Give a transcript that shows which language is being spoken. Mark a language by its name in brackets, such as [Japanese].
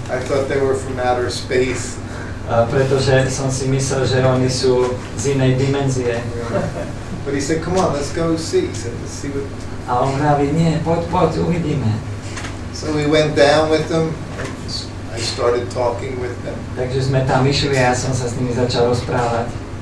[English] I thought they were from outer space. [Slovak] Pretože som si myslel, že oni sú z inej dimenzie. [English] But he said, come on, let's go see. He said, let's see what... [Slovak] A on hovorí, nie, poď, uvidíme. [English] So we went down with them. I started talking with them. [Slovak] Takže sme tam išli a ja som sa s nimi začal rozprávať.